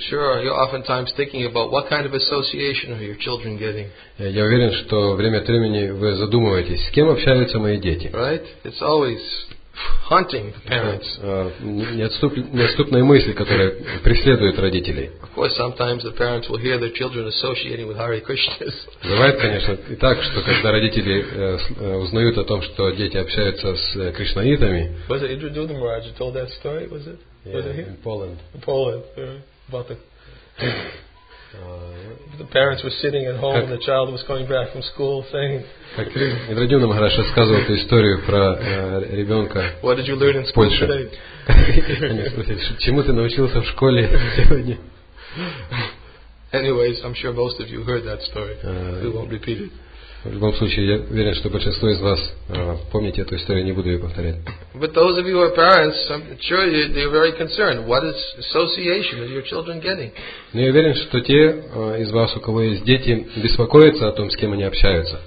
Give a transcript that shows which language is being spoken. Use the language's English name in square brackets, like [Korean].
[English] sure, you're oftentimes thinking about what kind of association are your children getting. [Russian] Я уверен, что время от времени вы задумываетесь, с кем общаются мои дети. [English] Right? It's always haunting the parents. [Russian] Неотступная мысль, которая преследует родителей. [English] Of course, sometimes the parents will hear their children associating with Hare Krishnas. [Russian] Бывает, конечно, и так, что когда родители узнают о том, что дети общаются с кришнаитами. [English] Was it Indra Dudam Raj who told that story? Was it? Yeah, in Poland. In Poland, yeah. About the parents were sitting at home, and the child was coming back from school saying. [Russian] Indra Dudam Raj рассказывал эту историю про ребенка. [English] What did you learn in school today? [Russian] Они спросили, чему ты научился в школе сегодня? [English] Anyways, I'm sure most of you heard that story. We won't repeat it. [Russian] В любом случае, я уверен, что большинство из вас помните эту историю, не буду ее повторять. [English] But those of you who are parents, I'm sure you're very concerned. What is association are your children getting? [Russian] Но я уверен, что те из вас, у кого есть дети, беспокоятся о том, с кем они общаются.